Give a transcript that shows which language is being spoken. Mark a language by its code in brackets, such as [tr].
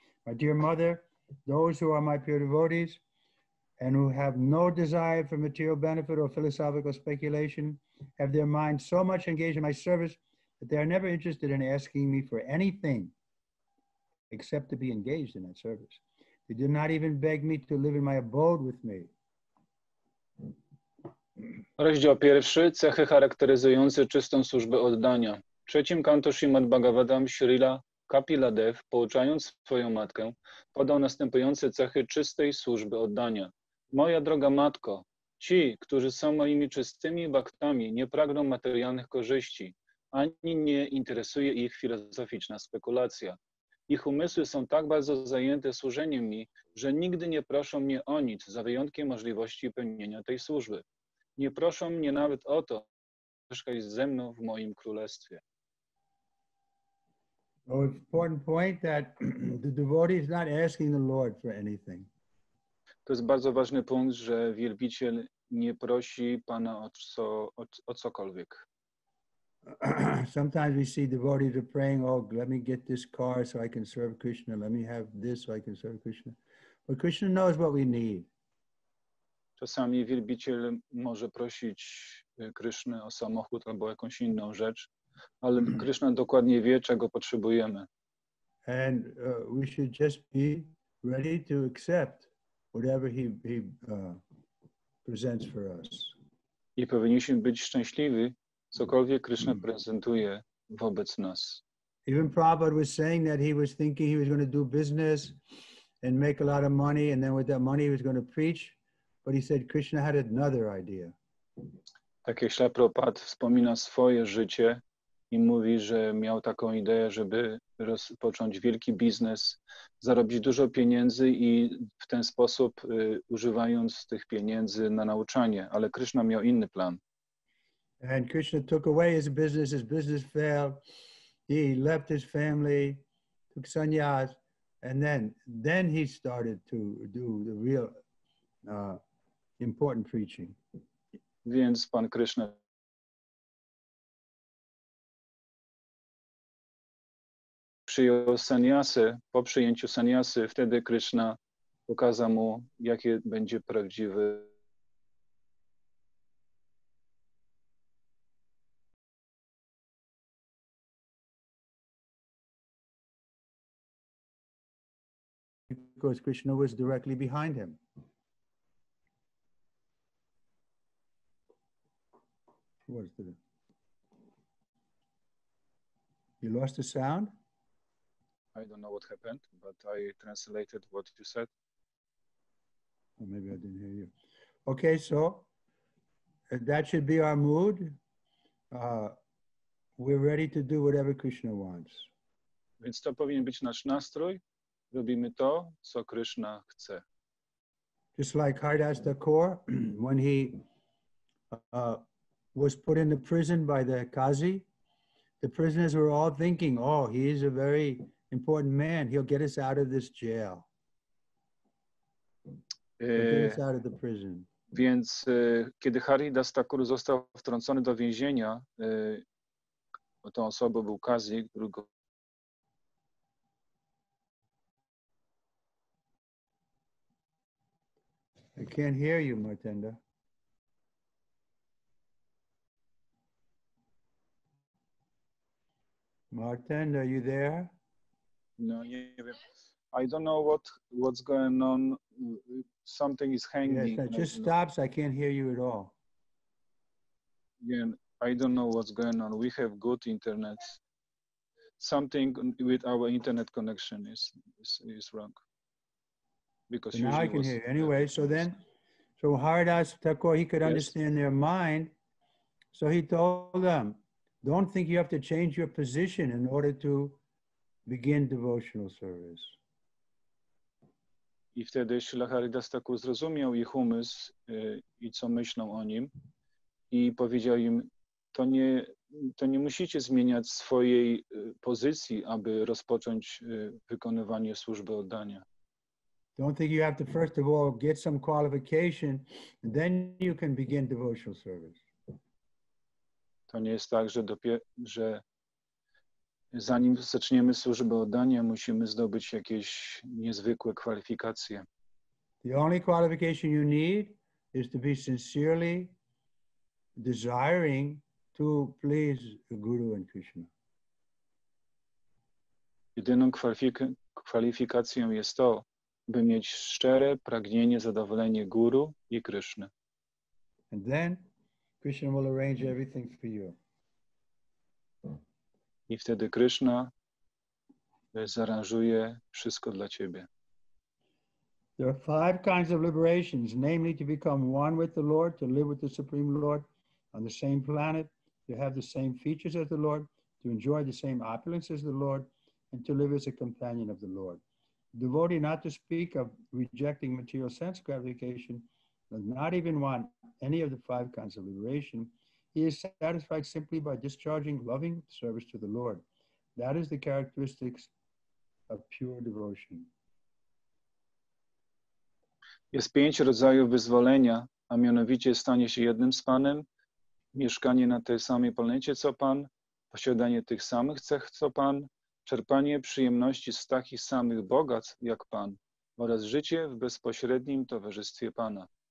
[en] My dear mother, those who are my pure devotees and who have no desire for material benefit or philosophical speculation, have their mind so much engaged in my service that they are never interested in asking me for anything except to be engaged in that service. They did not even beg me to live in my abode with me. [pl] Rozdział pierwszy. Cechy charakteryzujące czystą służbę oddania. W trzecim kanto Śrimad Bhagavatam Śrila Kapiladev, pouczając swoją matkę, podał następujące cechy czystej służby oddania. Moja droga matko, ci, którzy są moimi czystymi bhaktami, nie pragną materialnych korzyści, ani nie interesuje ich filozoficzna spekulacja. Ich umysły są tak bardzo zajęte służeniem mi, że nigdy nie proszą mnie o nic, za wyjątkiem możliwości pełnienia tej służby. Nie proszą mnie nawet o to, by mieszkać ze mną w moim królestwie. [en] Oh, it's important point that the devotee is not asking the Lord for anything. [pl] To jest bardzo ważny punkt, że wielbiciel nie prosi Pana o cokolwiek. [en] Sometimes we see devotees are praying, oh, let me get this car so I can serve Krishna, let me have this so I can serve Krishna. But Krishna knows what we need. [pl] Czasami wielbiciel może prosić Krysznę o samochód albo jakąś inną rzecz, ale Kryszna dokładnie wie, czego potrzebujemy. [en] And we should just be ready to accept whatever he presents for us. [pl] I powinniśmy być szczęśliwi, cokolwiek Kryszna prezentuje wobec nas. [en] Even Prabhupada was saying that he was thinking he was going to do business and make a lot of money, and then with that money he was going to preach, but he said Krishna had another idea. [pl] Tak jak Śla Prabhupada wspomina swoje życie i mówi, że miał taką ideę, żeby rozpocząć wielki biznes, zarobić dużo pieniędzy i w ten sposób używając tych pieniędzy na nauczanie, ale Krishna miał inny plan. [en] And Krishna took away his business failed. He left his family, took sannyas, and then he started to do the real important preaching. [pl] Więc pan Krishna przyjął sannyasę. Po przyjęciu sannyasy, wtedy Krishna pokazał mu, jakie będzie prawdziwe. [en] Because Krishna was directly behind him. What is it? You lost the sound? I don't know what happened, but I translated what you said. Well, maybe I didn't hear you. Okay, so that should be our mood. We're ready to do whatever Krishna wants. [pl] Więc to powinien być nasz nastrój. Robimy to, co Krishna chce. [en] Just like Haridas Thakur, when he was put in the prison by the Qazi, the prisoners were all thinking, oh, he is a very important man. He'll get us out of this jail. He'll get us out of the prison. [pl] Więc kiedy Haridas Thakur został wtrącony do więzienia, tą osobą był Qazi, którego [en] I can't hear you, Martenda. Martenda, are you there? No, I don't know what's going on. Something is hanging. Yes, it just stops. I can't hear you at all. Again, I don't know what's going on. We have good internet. Something with our internet connection is wrong. Because now I can hear you. Anyway, so Haridas Thakur, he could understand their mind. So he told them, don't think you have to change your position in order to begin devotional service. [pl] I wtedy Śrila Haridas Thakur zrozumiał ich umysł i co myślą o nim. I powiedział im, to nie musicie zmieniać swojej pozycji, aby rozpocząć wykonywanie służby oddania. [en] Don't think you have to first of all get some qualification, and then you can begin devotional service. [pl] To nie jest tak, że zanim zaczniemy służbę oddania, musimy zdobyć jakieś niezwykłe kwalifikacje. [en] The only qualification you need is to be sincerely desiring to please the Guru and Krishna. [pl] Jedyną kwalifikacją jest to, by mieć szczere pragnienie, zadowolenie Guru i Kryszny. [en] And then Krishna will arrange everything for you. [pl] I wtedy Kryszna zaranżuje wszystko dla ciebie. [en] There are five kinds of liberations, namely to become one with the Lord, to live with the Supreme Lord on the same planet, to have the same features as the Lord, to enjoy the same opulence as the Lord, and to live as a companion of the Lord. Devotee, not to speak of rejecting material sense gratification, does not even want any of the five kinds of liberation. He is satisfied simply by discharging loving service to the Lord. That is the characteristics of pure devotion. [pl] Jest pięć rodzajów wyzwolenia, a mianowicie stanie się jednym z Panem, mieszkanie na tej samej planecie co Pan, posiadanie tych samych cech co Pan, czerpanie przyjemności z takich samych bogactw jak Pan oraz życie w bezpośrednim towarzystwie Pana.